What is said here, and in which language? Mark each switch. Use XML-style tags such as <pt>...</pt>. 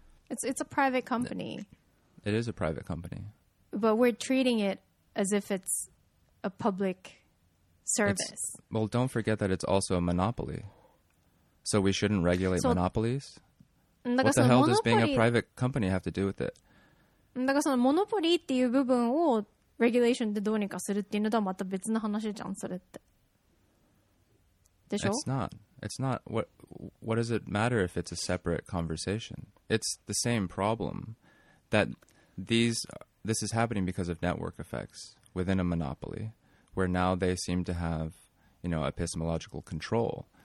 <en>It's a private company. It is a private company. But we're treating it as if it's a public service. Well, don't forget that it's also a monopoly. So we shouldn't regulate monopolies? What the hell does being a private company have to do with it?</en> <ja>だからそのモノポリっていう部分をレギュレーションでどうにかするっていうのとはまた別の話じゃん、それって。でしょ?</ja> <en>It's not. It's not, what does it matter if it's a separate conversation? It's the same problem that this is happening because of network effects within a monopoly, where now they seem to have, you know, epistemological control.</en>